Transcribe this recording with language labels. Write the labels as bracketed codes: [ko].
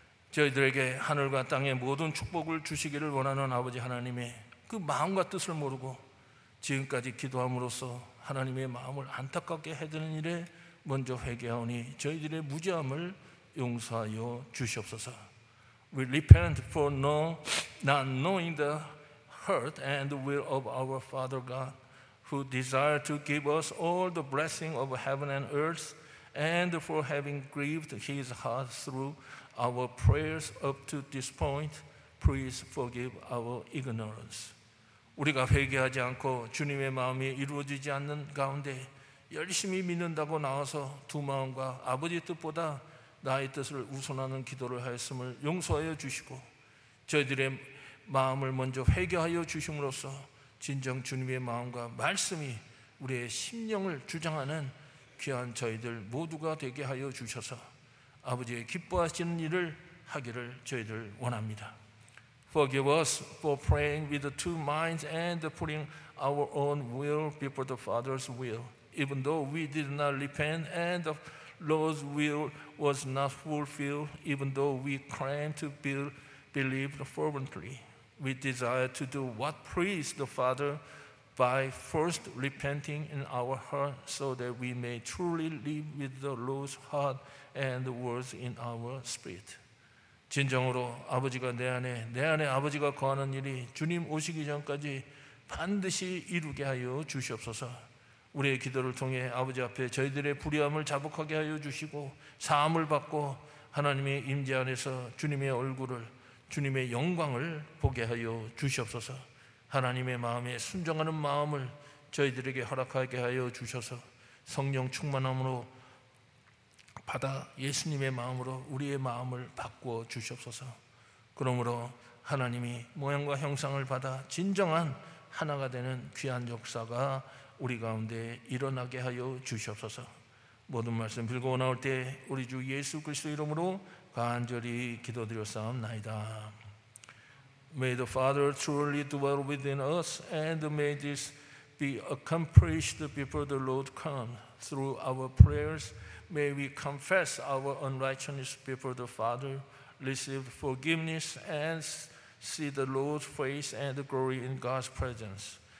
[ko] 저희들에게 하늘과 땅의 모든 축복을 주시기를 원하는 아버지 하나님의 그 마음과 뜻을 모르고 지금까지 기도함으로써 하나님의 마음을 안타깝게 해드는 일에 먼저 회개하오니 저희들의 무지함을 용서하여 주시옵소서. [en] We repent for not knowing the heart and will of our Father God, who desire to give us all the blessing of heaven and earth, and for having grieved his heart through our prayers up to this point. Please forgive our ignorance. [ko] 우리가 회개하지 않고 주님의 마음이 이루어지지 않는 가운데 열심히 믿는다고 나와서 두 마음과 아버지 뜻보다 나의 뜻을 우선하는 기도를 하였음을 용서하여 주시고 저희들의 마음을 먼저 회개하여 주심으로써 진정 주님의 마음과 말씀이 우리의 심령을 주장하는 귀한 저희들 모두가 되게 하여 주셔서 아버지의 기뻐하시는 일을 하기를 저희들 원합니다. [en] Forgive us for praying with two minds and putting our own will before the Father's will, even though we did not repent and the Lord's will was not fulfilled, even though we claimed to believe fervently. We desire to do what pleases the Father by first repenting in our heart so that we may truly live with the Lord's heart and the words in our spirit. [ko] 진정으로 아버지가 내 안에 아버지가 거하는 일이 주님 오시기 전까지 반드시 이루게 하여 주시옵소서. 우리의 기도를 통해 아버지 앞에 저희들의 불의함을 자복하게 하여 주시고 사함을 받고 하나님의 임재 안에서 주님의 얼굴을 주님의 영광을 보게 하여 주시옵소서. 하나님의 마음에 순종하는 마음을 저희들에게 허락하게 하여 주셔서 성령 충만함으로 받아 예수님의 마음으로 우리의 마음을 바꾸어 주시옵소서. 그러므로 하나님이 모양과 형상을 받아 진정한 하나가 되는 귀한 역사가 우리 가운데 일어나게 하여 주시옵소서. 모든 말씀 빌고 나올 때 우리 주 예수 그리스도 이름으로 간절히 기도드렸사옵나이다. [en] May the Father truly dwell within us, and may this be accomplished before the Lord comes. Through our prayers, may we confess our unrighteousness before the Father, receive forgiveness, and see the Lord's face and the glory in God's presence.